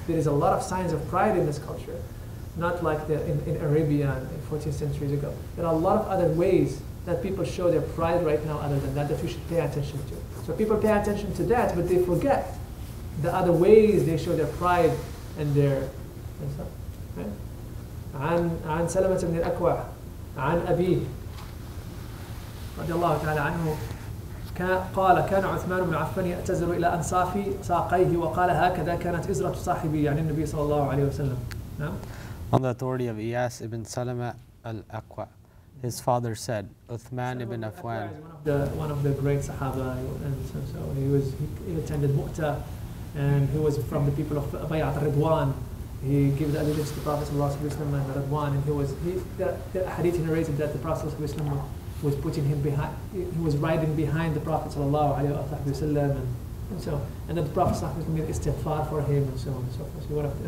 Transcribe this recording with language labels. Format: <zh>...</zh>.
<en>There is a lot of signs of pride in this culture, not like the in Arabia in 14 centuries ago. There are a lot of other ways that people show their pride right now other than that we should pay attention to. So people pay attention to that, but they forget the other ways they show their pride and their and stuff. Right?</en> <ar>عن سلمة بن الأكوع عن أبيه رضي الله تعالى عنه قال كان عثمان بن عفان يأتزر إلى أنصاف ساقيه وقال هكذا كانت إزرة صاحبي يعني النبي صلى الله عليه وسلم. نعم.</ar> <en>On the authority of Iyas ibn Salama al-Aqwa, his father said, Uthman ibn Affan, one of the great Sahaba, and so he attended Mu'tah, and he was from the people of Bay'at Ridwan. He gave the allegiance to the Prophet Sallallahu Alaihi Wasallam and Ridwan, and the hadith narrated that the Prophet Sallallahu Alaihi Wasallam was putting him behind, he was riding behind the Prophet Sallallahu Alaihi Wasallam, and then the Prophet Sallallahu Alaihi Wasallam made istighfar for him, and so on and so forth.</en>